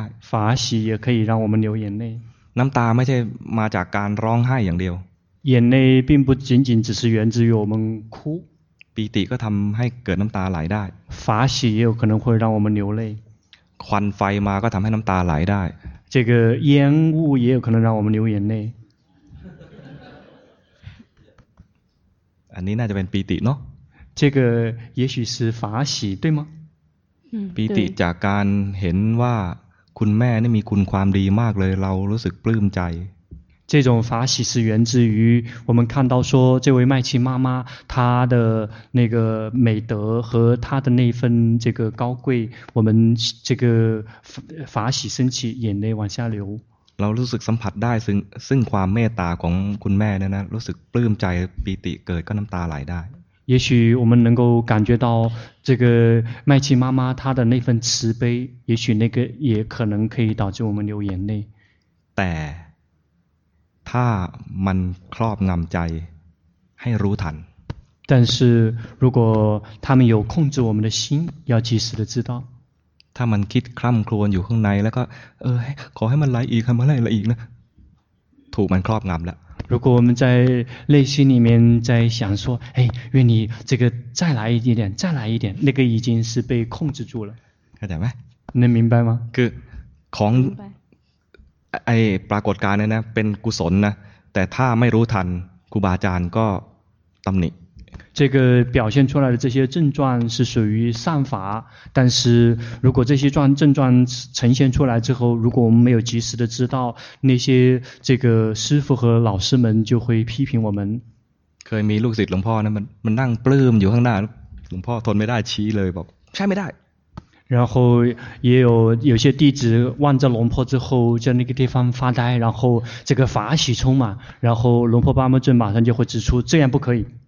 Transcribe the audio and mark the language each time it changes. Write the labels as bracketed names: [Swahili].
[Chinese] 法喜也可以让我们流眼泪 [Thai] น้ำตาไม่ใช่มาจากการร้องไห้อย่างเดียว [Chinese] 眼泪并不仅仅只是源自于我们哭 [Thai] ปีติก็ทำให้เกิดน้ำตาไหลได้ [Chinese] 法喜也有可能会让我们流泪 [Thai] ควันไฟมาก็ทำให้น้ำตาไหลได้ [Chinese] 这个烟雾也有可能让我们流眼泪 [Thai] อันนี้น่าจะเป็นปีติเนาะ [Chinese] 这个也许是法喜对吗 [Thai] ปีติจากการเห็นว่าคุณแม่นี่มีคุณความดีมากเลยเรารู้สึกปลื้มใจ [Chinese] 这种法喜是源自于我们看到说这位麦琪妈妈她的那个美德和她的那份这个高贵我们这个法喜升起眼泪往下流 [Thai] เรารู้สึกสัมผัสได้ซึ่งความเมตตาของคุณแม่เนี่ยนะรู้สึกปลื้มใจปีติเกิดก็น้ำตาไหลได้ [Chinese] 也许我们能够感觉到这个麦琪妈妈她的那份慈悲也许那个也可能可以导致我们流眼泪 [Thai] แต่ถ้ามันครอบงำใจให้รู้ทัน [Chinese] 但是如果他们有控制我们的心要及时的知道 [Thai] ถ้ามันคิดคร่ำครวญอยู่ข้างในแล้วก็ขอให้มันไหลอีกให้มันไหลอีกนะถูกมันครอบงำแล้ว [Chinese] 如果我们在内心里面在想说哎愿你这个再来一点再来一点那个已经是被控制住了 [Thai] เข้าใจไ [Chinese] หม能明白吗 [Thai] คือของไอ้ปรากฏการณ์เนี่ยนะเป็นกุศลนะแต่ถ้าไม่รู้ทันครูบาอาจารย์ก็ตำหนิ [Chinese] 这个表现出来的这些症状是属于善法，但是如果这些症状呈现出来之后，如果我们没有及时的知道，那些这个师父和老师们就会批评我们。 [Thai] เคยมีลูกศิษย์หลวงพ่อนะมันนั่งปลื้มอยู่ข้างหน้าหลวงพ่อทนไม่ได้ชี้เลยบอกใช่ไม่ได้ [Chinese] 然后也有些弟子望着龙婆之后在那个地方发呆，然后这个法喜充满，然后龙婆巴木正马上就会指出这样不可以。